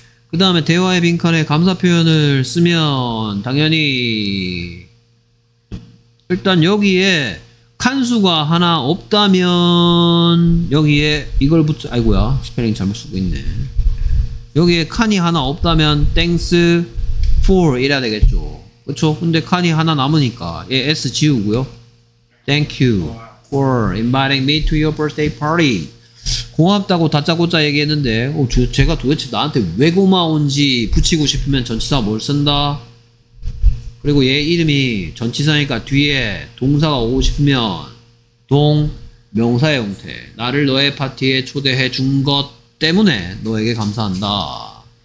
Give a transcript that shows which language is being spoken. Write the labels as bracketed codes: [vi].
[ko] 그 다음에 대화의 빈칸에 감사 표현을 쓰면 당연히 일단 여기에 칸수가 하나 없다면 여기에 이걸 붙여 아이고야 스펠링 잘못 쓰고 있네. 여기에 칸이 하나 없다면 [en] thanks for [ko] 이래야 되겠죠. 그쵸? 근데 칸이 하나 남으니까 얘 s 지우고요. [en] Thank you for inviting me to your birthday party. [ko] 고맙다고 다짜고짜 얘기했는데 제가 도대체 나한테 왜 고마운지 붙이고 싶으면 전치사 뭘 쓴다? 그리고 얘 이름이 전치사니까 뒤에 동사가 오고 싶으면 동 명사의 형태 나를 너의 파티에 초대해 준 것 때문에 너에게 감사한다.